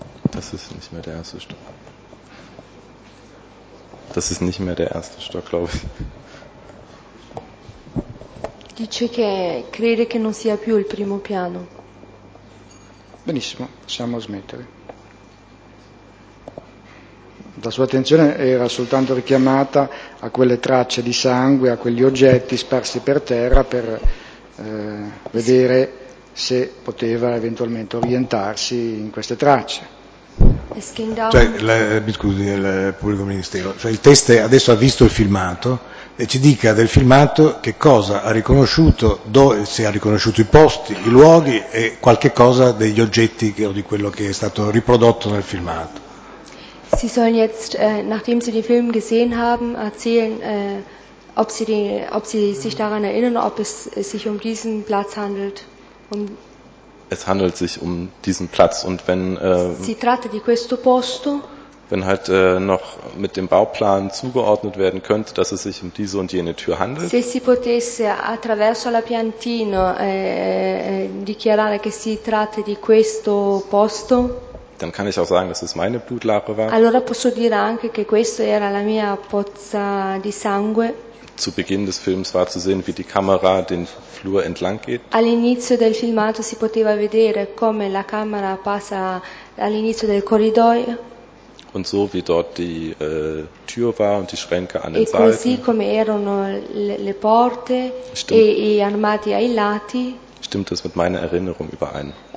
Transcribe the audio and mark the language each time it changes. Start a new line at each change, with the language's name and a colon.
German: Das ist nicht mehr der erste Stock. Das ist nicht mehr der erste Stock, glaube ich.
Italian: Dice che crede che non sia più il primo piano. Benissimo, possiamo smettere. La sua attenzione era soltanto richiamata a quelle tracce di sangue, a quegli oggetti sparsi per terra per vedere se poteva eventualmente orientarsi in queste tracce. Cioè, mi scusi, il pubblico ministero, cioè il test adesso ha visto il filmato e ci dica del filmato che cosa ha riconosciuto, se ha riconosciuto i posti, i luoghi e qualche cosa degli oggetti o di quello che è stato riprodotto nel filmato.
German: Sie sollen jetzt, nachdem Sie den Film gesehen haben, erzählen, ob Sie sich daran erinnern, ob es sich um diesen Platz handelt. Es handelt sich um diesen Platz und wenn
Italian: si tratta di questo posto,
German: wenn halt noch mit dem Bauplan zugeordnet werden könnte, dass es sich um diese und jene Tür handelt.
Italian: Se si potesse attraverso la piantina dichiarare che si tratta di questo posto,
German: dann kann ich auch sagen, dass es meine Blutlache war.
Italian: Allora posso dire anche che questo era la mia pozza di sangue.
German: Zu Beginn des Films war zu sehen, wie die Kamera den Flur entlang geht.
Italian: All'inizio del filmato si poteva vedere come la camera passa all'inizio del corridoio.
German: Und so wie dort die Tür war und die Schränke an den Seiten.
Italian: E così come erano le porte e gli armadi ai lati.
German: Stimmt das mit meiner Erinnerung überein?